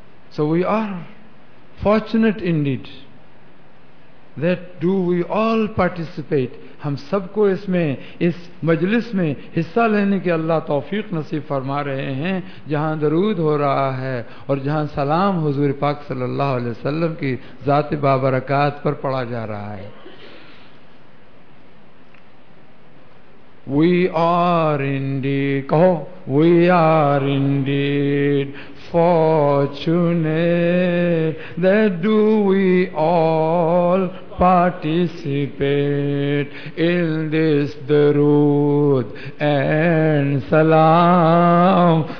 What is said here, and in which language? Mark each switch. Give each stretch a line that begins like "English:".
English: So we are fortunate indeed that do we all participate.
Urdu: ہم سب کو اس میں, اس مجلس میں حصہ لینے کی اللہ توفیق نصیب فرما رہے ہیں, جہاں درود ہو رہا ہے اور جہاں سلام حضور پاک صلی اللہ علیہ وسلم کی ذات بابرکات پر پڑھا جا رہا ہے.
English: We are indeed,
Urdu: کہو,
English: we are indeed fortunate that do we all participate in this darood and salam.